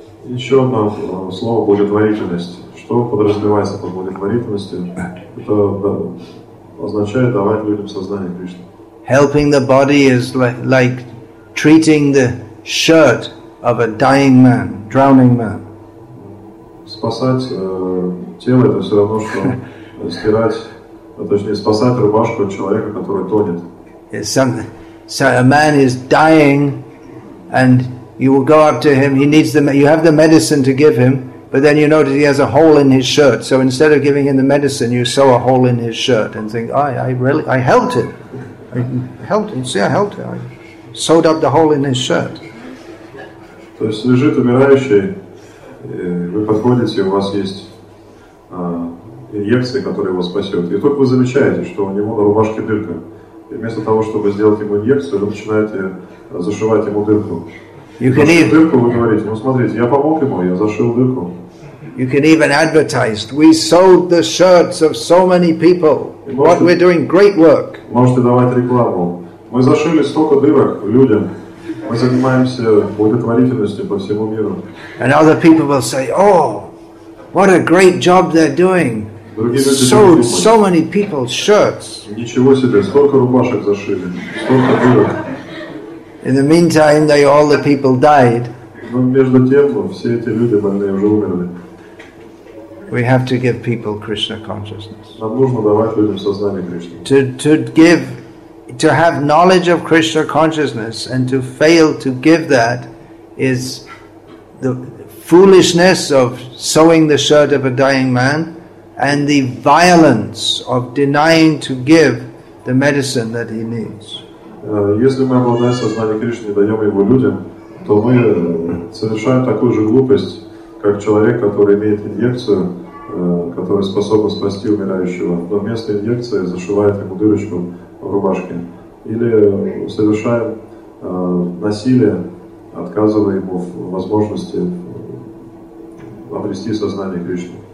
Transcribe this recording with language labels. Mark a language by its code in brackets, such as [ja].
[ru] Еще одно слово благотворительность. Что подразумевается под благотворительностью? Это означает давать людям сознание Кришны. [en] Helping the body is like treating the shirt of a dying man, drowning man. [ru] Спасать тело это все равно что стирать, точнее спасать рубашку человека, который тонет. [en] It's something. So a man is dying, and you will go up to him. He needs the. You have the medicine to give him. But then you notice he has a hole in his shirt. So instead of giving him the medicine, you sew a hole in his shirt and think, I helped him. I sewed up the hole in his shirt. [ru] То есть лежит умирающий, вы подходите, у вас есть инъекция, которая его спасет. И тут вы замечаете, что у него на рубашке дырка. И вместо того, чтобы сделать ему инъекцию, вы начинаете зашивать ему дырку. [en] You can [ru] дырку, вы говорите, ну смотрите, я помог ему, я зашил дырку. [en] You can even advertise. We sold the shirts of so many people. What we're doing, great work. [ru] Можете давать рекламу. Мы зашили столько дырок людям. Мы занимаемся благотворительностью по всему миру. [en] And other people will say, "Oh, what a great job they're doing." Sold so many people's shirts. [ru] Ничего себе, столько рубашек зашили, столько дырок. [en] In the meantime, they all the people died. [ru] Но между тем все эти люди больные уже умерли. [en] We have to give people Krishna consciousness. [ru] Нам нужно давать людям сознание Кришны. [en] To have knowledge of Krishna consciousness and to fail to give that is the foolishness of sewing the shirt of a dying man and the violence of denying to give the medicine that he needs. [ru] Если мы обладаем сознанием Кришны и даем его людям, то мы совершаем такую же глупость, как человек, который имеет инъекцию, которая способна спасти умирающего, но вместо инъекции зашивает ему дырочку в рубашке. Или совершаем насилие, отказывая ему в возможности обрести сознание Кришны.